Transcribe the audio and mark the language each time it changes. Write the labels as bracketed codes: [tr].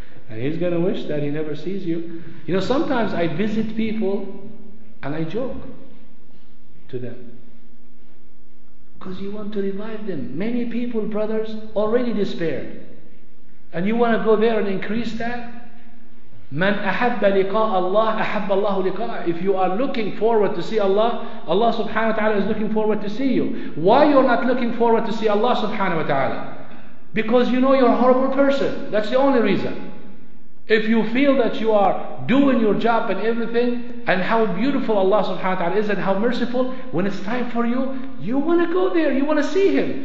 [en] And he's going to wish that he never sees you. You know, sometimes I visit people and I joke to them, because you want to revive them. Many people, brothers, already despaired, and you want to go there and increase that? [ar] من أحب لقاء الله أحب الله لقاء. [en] If you are looking forward to see Allah, Allah subhanahu wa ta'ala is looking forward to see you. Why you're not looking forward to see Allah subhanahu wa ta'ala? Because you know you're a horrible person. That's the only reason. If you feel that you are doing your job and everything, and how beautiful Allah subhanahu wa ta'ala is and how merciful, when it's time for you, you want to go there, you want to see Him.